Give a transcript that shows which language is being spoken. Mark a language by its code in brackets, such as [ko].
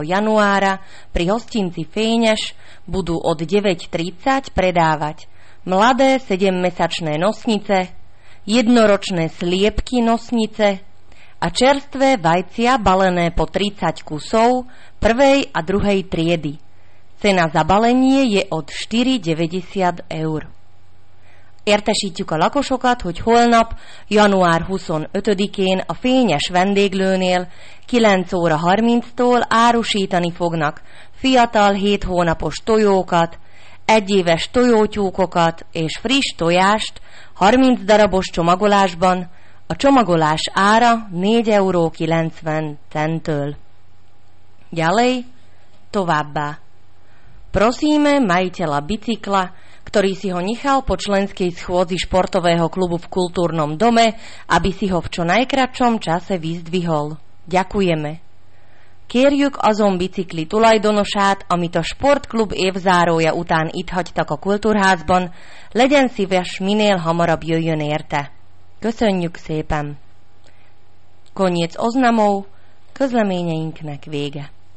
[sk] januára pri hostinci Fényes budú od 9.30 predávať mladé 7-mesačné nosnice, jednoročné sliepky nosnice a čerstvé vajcia balené po 30 kusov prvej a druhej triedy. Cena za balenie je od 4,90 eur. [hu] Értesítjük a lakosokat, hogy holnap, január 25-én a Fényes vendéglőnél 9 óra 30-tól árusítani fognak fiatal 7 hónapos tojókat, egyéves tojótyúkokat és friss tojást 30 darabos csomagolásban, a csomagolás ára 4,90 €-től. [sk] Ďalej, [hu] továbbá. [sk] Prosíme majiteľa bicykla, ktorý si ho nechal po členskej schôdzi športového klubu v kultúrnom dome, aby si ho v čo najkratšom čase vyzdvihol. Ďakujeme. [hu] Kérjük azon bicikli tulajdonosát, amit a športklub évzárója után itt hagytak a kultúrházban, legyen szíves, minél hamarabb jöjjön érte. Köszönjük szépen! [sk] Koniec oznamov, [hu] közleményeinknek vége.